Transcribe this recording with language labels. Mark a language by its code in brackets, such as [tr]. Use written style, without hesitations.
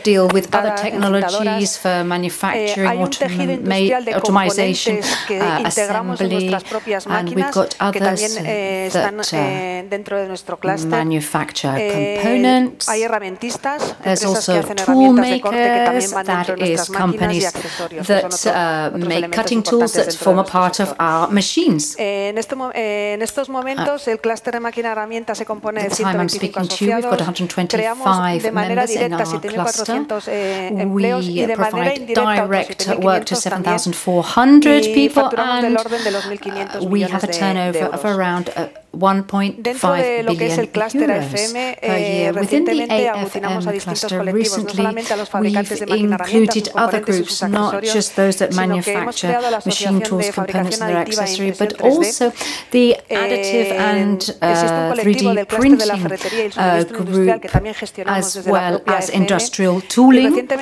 [es] tecnologías de manufacturing, automatización, que integramos en nuestras propias máquinas, que también están dentro de nuestro [en] manufacture components. [es] Hay herramientistas, empresas [en] also [es] que hacen herramientas de corte que también van dentro de nuestras máquinas y accesorios, [en] that make cutting tools that form a part of our machines. [es] En estos momentos el clúster de máquina herramienta se compone de 125 asociados. [en] We've got 125 members in our cluster. We provide direct work to 7,400 people, and we have a turnover of around 1.5 billion euros per year. Within the AFM cluster, recently we've included other groups, not just those that manufacture machine tools, components and their accessory, but also the additive and 3D printing group, as well as industrial tooling.